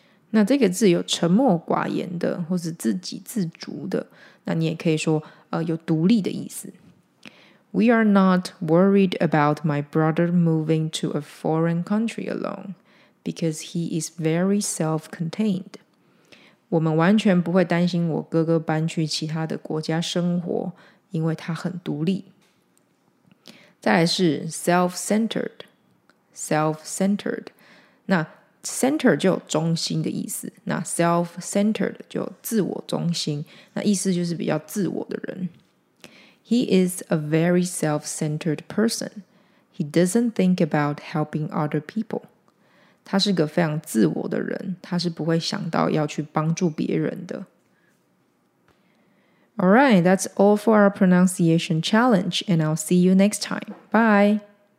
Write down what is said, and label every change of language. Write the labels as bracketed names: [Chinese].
[Chinese] 那这个字有沉默寡言的或是自给自足的，那你也可以说有独立的意思。 [English] We are not worried about my brother moving to a foreign country alone. Because he is very self-contained. [Chinese] 我们完全不会担心我哥哥搬去其他的国家生活，因为他很独立。再来是 self-centered. 那 center 就有中心的意思，那 self-centered 就有自我中心，那意思就是比较自我的人。 [English] He is a very self-centered person. He doesn't think about helping other people. [Chinese] 他是个非常自我的人，他是不会想到要去帮助别人的。 [English] Alright, that's all for our pronunciation challenge, and I'll see you next time. Bye!